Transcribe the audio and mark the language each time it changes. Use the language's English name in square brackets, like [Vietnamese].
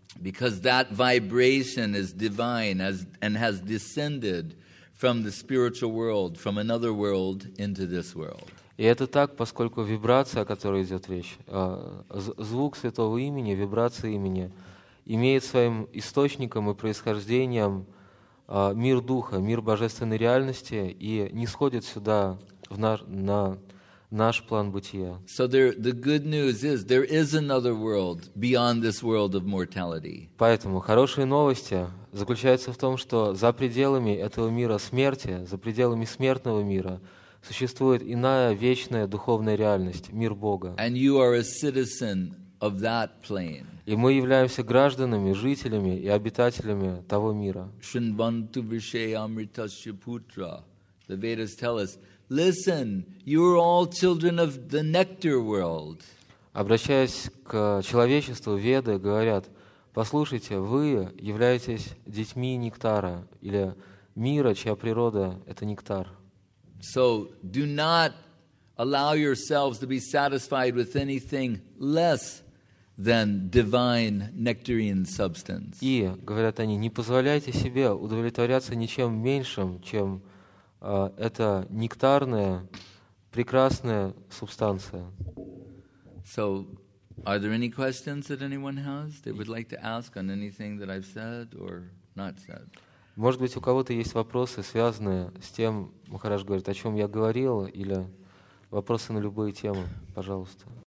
[English] Because that vibration is divine and has descended from the spiritual world, from another world into this world. [Russian] И это так, поскольку вибрация, о которой идет речь, звук святого имени, вибрация имени, имеет своим источником и происхождением мир духа, мир божественной реальности, и нисходит сюда, на наш план бытия. [English] So the good news is, there is another world beyond this world of mortality. [Russian] Поэтому хорошие новости заключаются в том, что за пределами этого мира смерти, за пределами смертного мира, существует иная вечная духовная реальность, мир Бога. [English] And you are a citizen of that plane. [Russian] И мы являемся гражданами, жителями и обитателями того мира. [Sanskrit] Шинбанту вишей амритасья путра. [English] The Vedas tell us, listen, you are all children of the nectar world. [Russian] Обращаясь к человечеству, Веды говорят, послушайте, вы являетесь детьми нектара, или мира, чья природа – это нектар. [English] So do not allow yourselves to be satisfied with anything less than divine nectarine substance. [Russian] И говорят они, не позволяйте себе удовлетворяться ничем меньшим, чем эта нектарная прекрасная субстанция. [English] So are there any questions that anyone has they would like to ask on anything that I've said or not said? [Russian] Может быть, у кого-то есть вопросы, связанные с тем, Махарадж говорит, о чем я говорил, или вопросы на любые темы, пожалуйста.